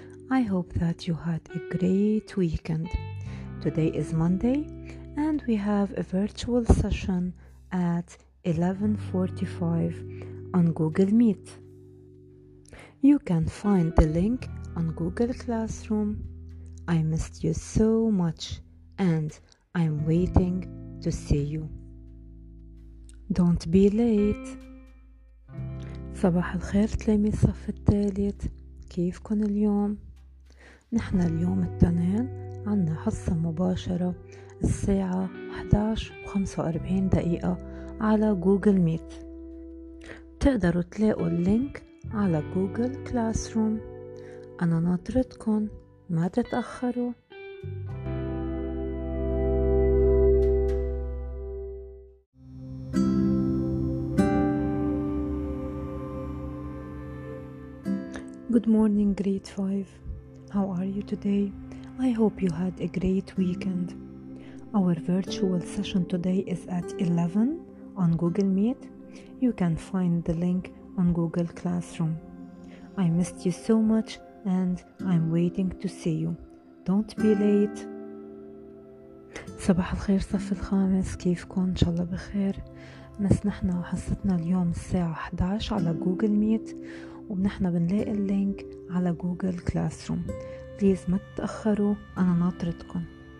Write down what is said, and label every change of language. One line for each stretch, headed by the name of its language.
English: I hope that you had a great weekend. Today is Monday and we have a virtual session at 11:45 on Google Meet. You can find the link on Google Classroom. I missed you so much and I'm waiting to see you. Don't be late.
Arabic: صباح الخير تلاميذ صف الثالث، كيفكن اليوم؟ نحن اليوم الاثنين عنا حصة مباشرة الساعة 11:45 دقيقة على جوجل ميت. بتقدروا تلاقوا اللينك على جوجل كلاس روم. أنا ناطرتكن، ما تتأخروا.
English: Good morning, grade 5. How are you today? I hope you had a great weekend. Our virtual session today is at 11 on Google Meet. You can find the link on Google Classroom. I missed you so much and I'm waiting to see you. Don't be late.
Arabic: صباح الخير صف الخامس، كيفكم؟ إن شاء الله بخير. بس نحن حصتنا اليوم الساعة 11 على جوجل ميت وبنحنا بنلاقي اللينك على جوجل كلاس روم. بليز ما تتأخروا، أنا ناطرتكم.